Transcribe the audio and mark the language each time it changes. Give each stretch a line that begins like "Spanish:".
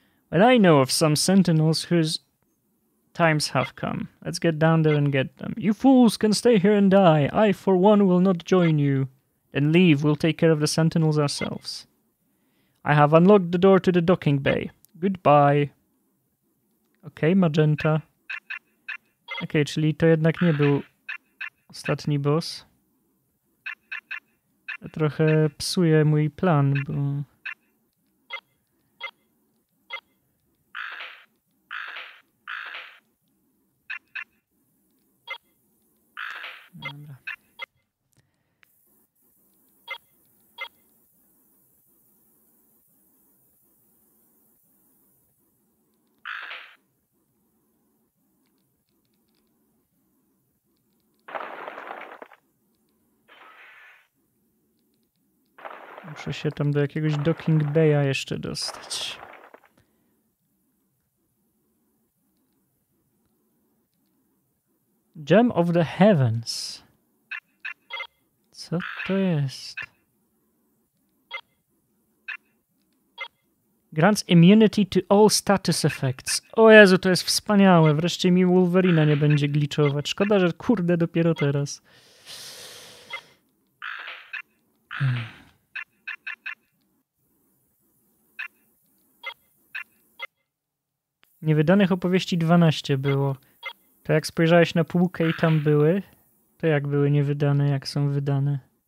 English: But I know of some sentinels whose... Times have come. Let's get down there and get them. You fools can stay here and die. I, for one, will not join you. Then leave. We'll take care of the sentinels ourselves. I have unlocked the door to the docking bay. Goodbye. Okay, Magenta.
Polish: Okay, czyli to jednak nie był ostatni boss. To trochę psuje mój plan, bo... Muszę się tam do jakiegoś docking baya jeszcze dostać.
English: Gem of the Heavens.
Polish: Co to jest?
English: Grants immunity to all status effects.
Polish: O Jezu, to jest wspaniałe. Wreszcie mi Wolverina nie będzie glitchować. Szkoda, że kurde dopiero teraz. Niewydanych opowieści 12 było. To jak spojrzałeś na półkę i tam były, to jak były niewydane, jak są wydane?